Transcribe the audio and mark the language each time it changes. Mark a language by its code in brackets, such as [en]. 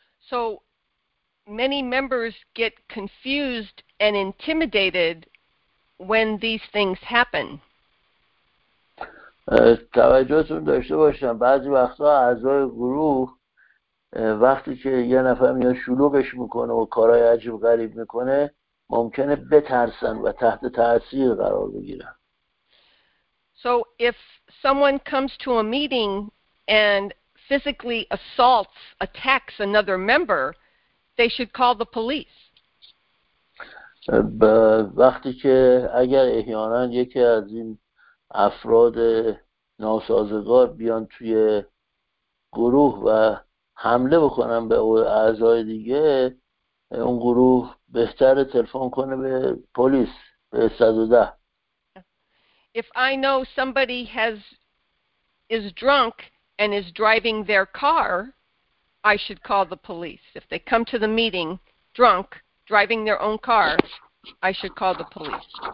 [en] So many members get confused and intimidated when these things happen. [fa] توجهتون داشته باشم بعضی وقتا اعضای گروه وقتی که یه نفر میاد شلوغش میکنه و کارهای عجیب غریب میکنه ممکنه بترسن و تحت تاثیر قرار بگیرن. [en] So if someone comes to a meeting and physically assaults, attacks another member, they should call the police. [fa] وقتی که اگر احیانا یکی از این افراد ناسازگار بیان توی گروه و حمله بکنن به اعضای دیگه اون گروه بهتر تلفن کنه به پلیس به 110. [en] If I know somebody is drunk and is driving their car, I should call the police. If they come to the meeting drunk, driving their own car, I should call the police.